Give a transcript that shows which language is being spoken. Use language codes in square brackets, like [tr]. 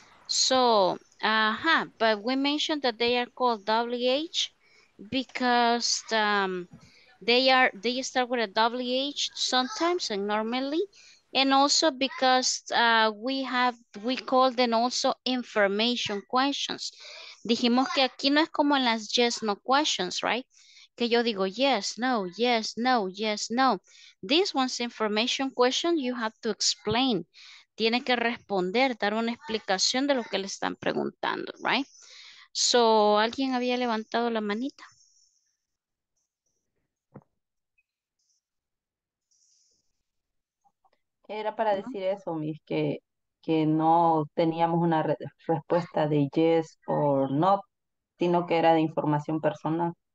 [en] So, but we mentioned that they are called WH because they start with a WH sometimes and normally, and also because we call them also information questions. [es] Dijimos que aquí no es como en las [en] yes, no questions, [es] right? Que yo digo [en] yes, no, yes, no, yes, no. This one's information question, you have to explain. [es] Tiene que responder, dar una explicación de lo que le están preguntando, right? So, ¿alguien había levantado la manita? Era para decir eso, Miss, que no teníamos una respuesta de [en] yes or no, [es] sino que era de información personal.